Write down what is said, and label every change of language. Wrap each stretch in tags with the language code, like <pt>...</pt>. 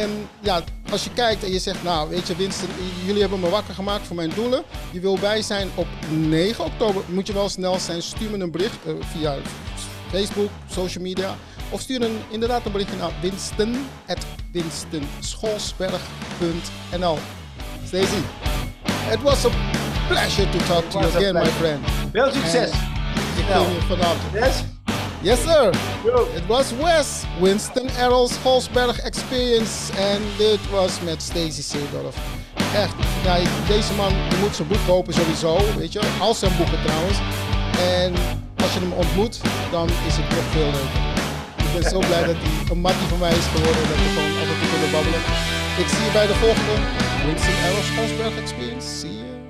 <nl>En ja, als je kijkt en je zegt, nou, weet je, Winston, jullie hebben me wakker gemaakt voor mijn doelen. Je wil bij zijn op 9 oktober. Moet je wel snel zijn, stuur me een bericht via Facebook, social media. Of stuur inderdaad een berichtje naar winston@winstonscholsberg.nl.</nl> <en>Stay tuned. It was a pleasure to talk to you again, my friend.</en> <nl>Veel succes. Ik wil je vanavond.</nl> <en>Yes? Yes, sir. It was Wes, Winston Errol's Holsberg Experience.</en> <nl>En dit was met Stacey Seedorf. Echt, ja, deze man moet zijn boek kopen sowieso, weet je. Al zijn boeken trouwens. En als je hem ontmoet, dan is het nog veel leuker. Ik ben zo blij dat hij een mattie van mij is geworden. Dat we gewoon altijd kunnen babbelen. Ik zie je bij de volgende Winston Errol's Holsberg Experience.</nl> <en>See you.</en>